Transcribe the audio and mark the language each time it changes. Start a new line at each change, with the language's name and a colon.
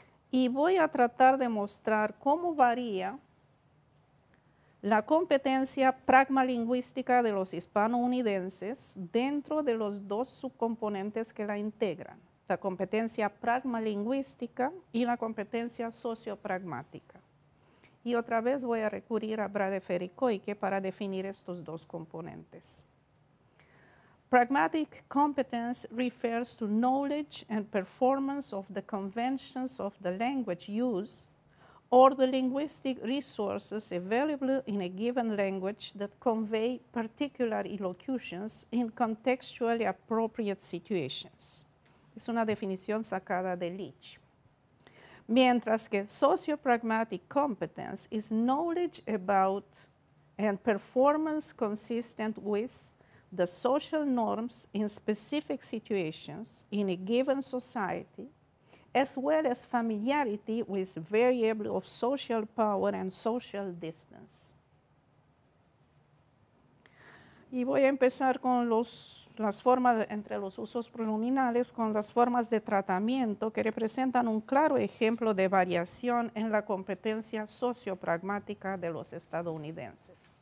Spanish: Y voy a tratar de mostrar cómo varía la competencia pragmalingüística de los hispanounidenses dentro de los dos subcomponentes que la integran, la competencia pragmalingüística y la competencia sociopragmática. Y otra vez voy a recurrir a Bradefer y Coyke para definir estos dos componentes.
English: Pragmatic competence refers to knowledge and performance of the conventions of the language use or the linguistic resources available in a given language that convey particular elocutions in contextually appropriate situations.
Spanish: Es una definición sacada de Leach. Mientras que
English: sociopragmatic competence is knowledge about and performance consistent with the social norms in specific situations in a given society, as well as familiarity with variables of social power and social distance.
Spanish: Y voy a empezar con las formas de tratamiento que representan un claro ejemplo de variación en la competencia sociopragmática de los estadounidenses.